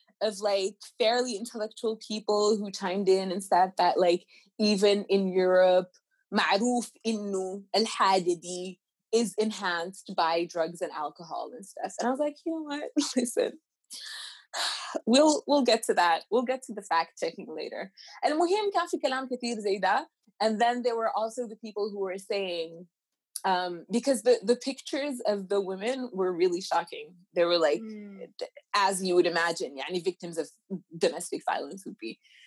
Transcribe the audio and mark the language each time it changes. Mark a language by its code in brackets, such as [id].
[en] Of like fairly intellectual people who chimed in and said that like even in Europe, [ar] معروف إنه الحادثي [en] is enhanced by drugs and alcohol and stuff. And I was like, you know what? Listen, we'll get to that. We'll get to the fact checking later. And [ar] المهم كان في كلام كثير زي ده. [en] And then there were also the people who were saying, because the pictures of the women were really shocking. They were like, as you would imagine, [ar] yani [en] victims of domestic violence would be.